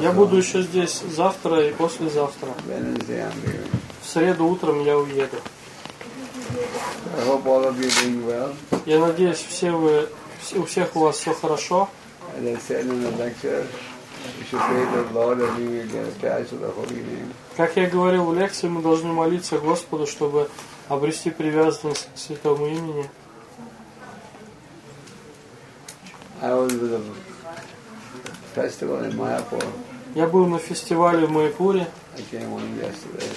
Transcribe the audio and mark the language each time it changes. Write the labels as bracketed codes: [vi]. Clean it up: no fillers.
[ru] Я буду еще здесь завтра и послезавтра. В среду утром я уеду. [en] I hope all of you doing well. [ru] Я надеюсь, все вы, у всех у вас все хорошо. [en] As I said in the lecture, we should pray to the Lord and we will get attached to the Holy Name. [ru] Как я говорил в лекции, мы должны молиться Господу, чтобы обрести привязанность к Святому имени. [en] I was with a festival in Mayapur. [ru] Я был на фестивале в Майпуре. [en] I came on yesterday.